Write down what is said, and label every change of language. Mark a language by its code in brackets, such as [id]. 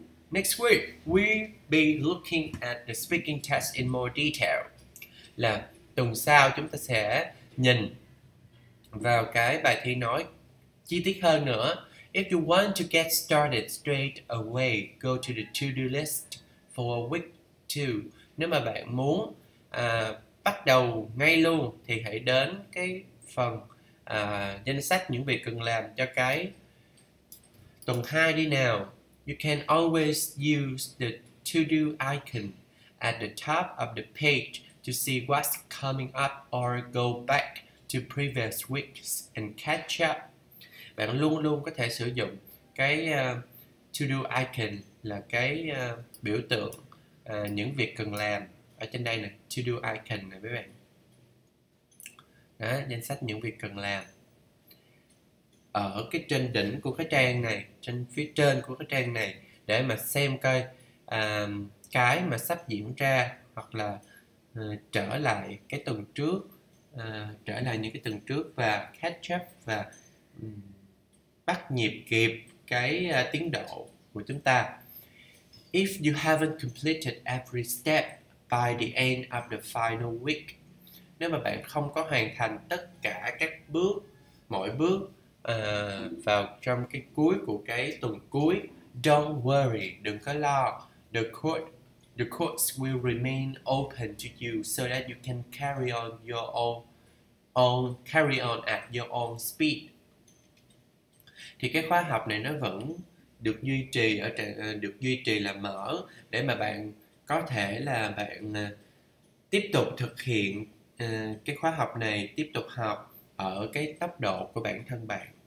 [en] Next week we'll be looking at the speaking test in more detail. [vi] Là tuần sau chúng ta sẽ nhìn vào cái bài thi nói chi tiết hơn nữa. [en] If you want to get started straight away, go to the to-do list for week 2. [vi] Nếu mà bạn muốn bắt đầu ngay luôn thì hãy đến cái phần danh sách những việc cần làm cho cái tuần 2 đi nào. [en] You can always use the to-do icon at the top of the page to see what's coming up or go back to previous weeks and catch up. [vi] Bạn luôn luôn có thể sử dụng cái to-do icon là cái biểu tượng những việc cần làm ở trên đây nè, to-do icon nè mấy bạn. Đó, danh sách những việc cần làm. Ở cái trên đỉnh của cái trang này, trên phía trên của cái trang này, để mà xem coi cái mà sắp diễn ra hoặc là trở lại cái tuần trước, trở lại những cái tuần trước và catch up và bắt nhịp kịp cái tiến độ của chúng ta. [en] If you haven't completed every step by the end of the final week, [vi] nếu mà bạn không có hoàn thành tất cả các bước, mỗi bước vào trong cái cuối của cái tuần cuối, [en] don't worry, [vi] đừng có lo. [en] The courts will remain open to you so that you can carry on at your own speed. [vi] Thì cái khóa học này nó vẫn được duy trì ở được duy trì là mở để mà bạn có thể là bạn tiếp tục thực hiện cái khóa học này, tiếp tục học ở cái tốc độ của bản thân bạn.